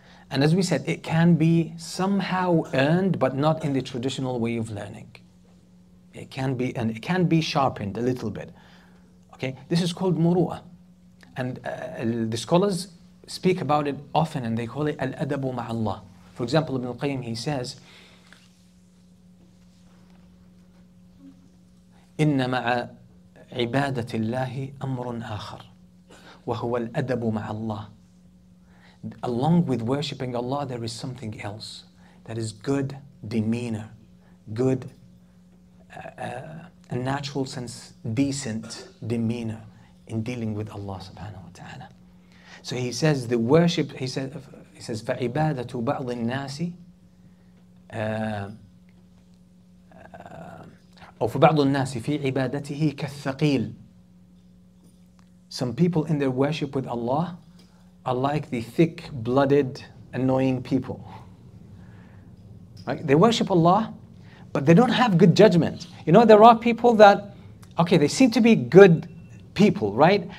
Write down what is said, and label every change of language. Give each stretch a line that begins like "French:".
English: And as we said, it can be somehow earned, but not in the traditional way of learning. It can be sharpened a little bit. Okay, this is called murua. And the scholars speak about it often, and they call it al-adabu ma'allah.
Arabic: For example, Ibn al-Qayyim, he says, إِنَّ مَعَ عِبَادَةِ اللَّهِ أَمْرٌ آخَرٌ وَهُوَ الْأَدَبُ مَعَ اللَّهِ.
English: Along with worshipping Allah, there is something else. That is good demeanor, good, a natural sense, decent demeanor in dealing with Allah subhanahu wa ta'ala. So he says the worship, he says,
Arabic: فَعِبَادَةُ بَعْضِ النَّاسِ أو في بعض الناس في عبادته كالثقيل.
English: Some people in their worship with Allah are like the thick-blooded, annoying people. Right? They worship Allah, but they don't have good judgment. You know, there are people that, okay, they seem to be good people, right?